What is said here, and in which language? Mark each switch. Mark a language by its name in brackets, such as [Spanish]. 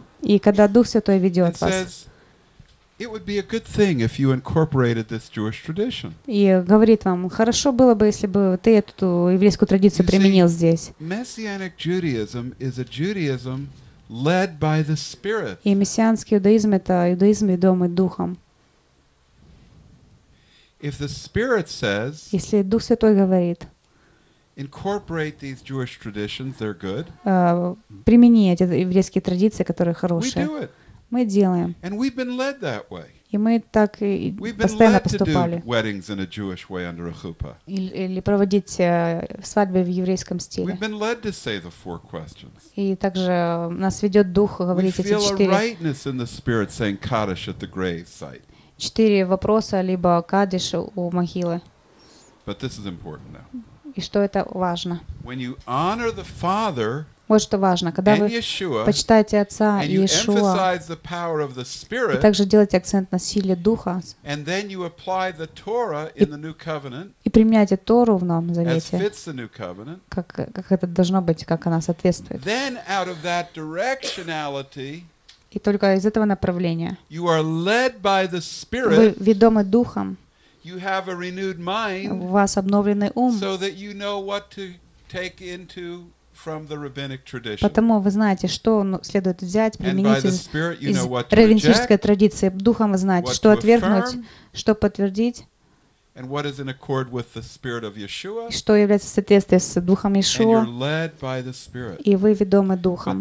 [Russian] И когда Дух Святой ведет вас, [English] it would be a good thing if you incorporated this Jewish tradition. [Russian] И говорит вам, хорошо было бы, если бы ты эту еврейскую традицию применил здесь. [English] Messianic Judaism is a Judaism led by the Spirit. [Russian] И мессианский иудаизм — это иудаизм, ведомый Духом. [English] If the Spirit says, [Russian] если Дух Святой говорит, [English] incorporate these Jewish traditions, they're good. [Russian] Примени эти еврейские традиции, которые хорошие. Мы делаем. [English] And we've been led that way. [Russian] И мы так и постоянно поступали. [English] Weddings in a Jewish way under a chuppah. [Russian] Или проводить свадьбы в еврейском стиле. [English] We've been led to say the four questions. [Russian] И также нас ведет дух говорить эти четыре. [English] We feel a rightness in the spirit saying Kaddish at the grave site. [Russian] Четыре вопроса либо Kaddish у могилы. [English] But this is important now. [Russian] И что это важно. [English] When you honor the Father, [Russian] вот что важно. Когда вы почитаете Отца и Иешуа, и также делаете акцент на силе Духа, и применяете Тору в Новом Завете, как это должно быть, как она соответствует. [English] Then out of that directionality, [Russian] и только из этого направления [English] you are led by the Spirit, [Russian] вы ведомы Духом. [English] You have a renewed mind, [Russian] у вас обновленный ум, [English] so that you know what to take into from the rabbinic tradition. [Russian] Потому вы знаете, что следует взять, применить из раввинистической традиции. Духом вы знаете, что отвергнуть, что подтвердить, что является соответствием с Духом Иешуа, и вы ведомы Духом.